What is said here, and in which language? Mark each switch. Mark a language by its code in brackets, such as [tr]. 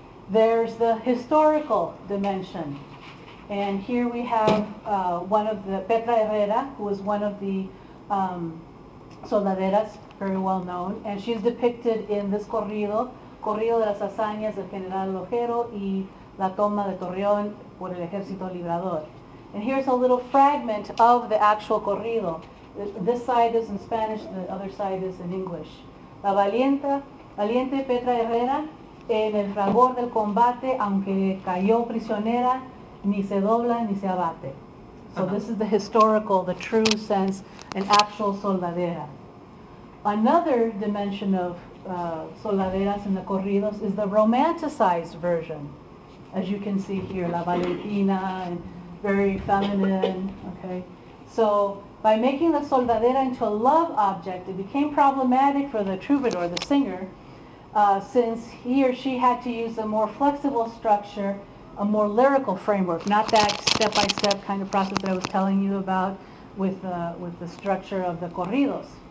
[en] There's the historical dimension, and here we have one of the, Petra Herrera, who was one of the soldaderas, very well known, and she's depicted in this corrido, Corrido de las Hazañas del General Lojero y La Toma de Torreón por el Ejército Librador. And here's a little fragment of the actual corrido. This side is in Spanish, the other side is in English. [es] La valiente Petra Herrera, en el fragor del combate, aunque cayó prisionera, ni se dobla ni se abate. [en] So this is the historical, the true sense, an actual soldadera. Another dimension of soldaderas in the corridos is the romanticized version, as you can see here, la valentina, and very feminine, okay? So by making the soldadera into a love object, it became problematic for the troubadour, the singer, since he or she had to use a more flexible structure, a more lyrical framework, not that step-by-step kind of process that I was telling you about with the structure of the corridos.